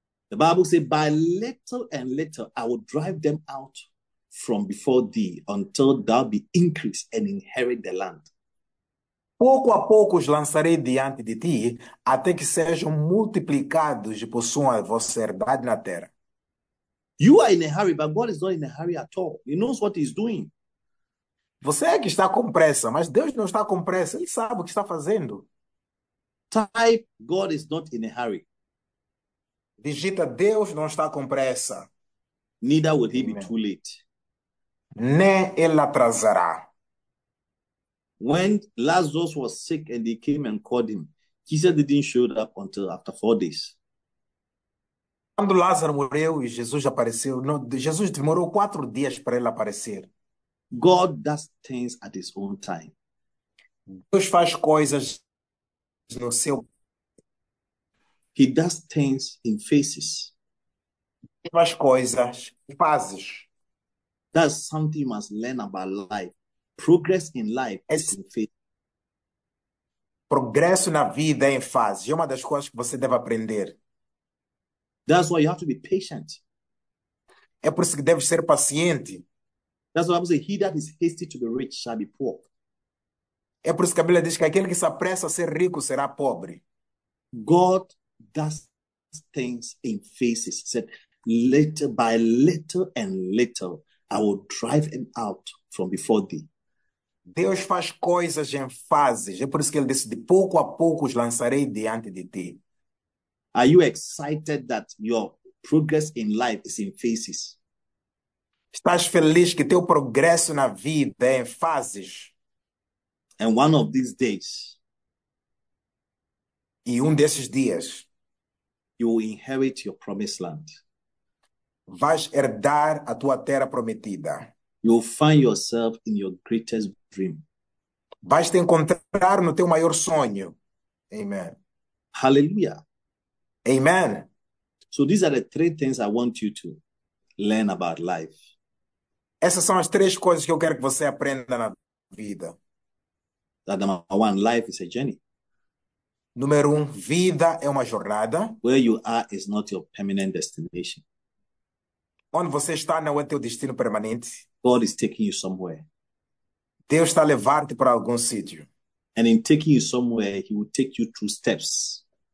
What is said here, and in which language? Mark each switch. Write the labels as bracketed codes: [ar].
[en] The Bible says, by little and little, I will drive them out from before thee until thou be increased and inherit the land. [pt] Pouco a pouco os lançarei diante de ti, até que sejam multiplicados e possuam a vossa herdade na terra. [en] You are in a hurry, but God is not in a hurry at all. He knows what he's doing. [pt] Você é que está com pressa, mas Deus não está com pressa. Ele sabe o que está fazendo. [en] Type, God is not in a hurry. [pt] Digita, Deus não está com pressa. [en] Neither will he be too late. [pt] Nem ele atrasará. [en] When Lazarus was sick and they came and called him, Jesus didn't show up until after 4 days. [pt] Quando Lázaro morreu e Jesus apareceu, não, Jesus demorou 4 dias para ele aparecer. [en] God does things at his own time. [pt] Deus faz coisas no seu. [en] He does things in phases. [pt] Ele faz coisas em fases. [en] That's something you must learn about life. Progress in life is in phase. [pt] Progresso na vida é em fase. É uma das coisas que você deve aprender. [en] That's why you have to be patient. [pt] É por isso que deve ser paciente. [en] That's why I'm saying, he that is hasty to be rich shall be poor. [pt] É por isso que a Bíblia diz que aquele que se apressa a ser rico será pobre. [en] God does things in phases. He said, little by little and little, I will drive him out from before thee. [pt] Deus faz coisas em fases. É por isso que ele disse, de pouco a pouco os lançarei diante de ti. [en] Are you excited that your progress in life is in phases? [pt] Estás feliz que teu progresso na vida é em fases? [en] And one of these days, [pt] e um desses dias, [en] you will inherit your promised land. [pt] Vais herdar a tua terra prometida. [en] You'll find yourself in your greatest dream. [pt] Vais te encontrar no teu maior sonho. [en] Amen. Hallelujah. Amen. So these are the three things I want you to learn about life. [pt] Essas são as três coisas que eu quero que você aprenda na vida. [en] That number one, life is a journey. [pt] Número um, vida é uma jornada. [en] Where you are is not your permanent destination. [pt] Onde você está não é teu destino permanente. [en] God is taking you somewhere. [pt] Deus está levando-te para algum sítio. [en] And in taking you somewhere, he will take you through steps.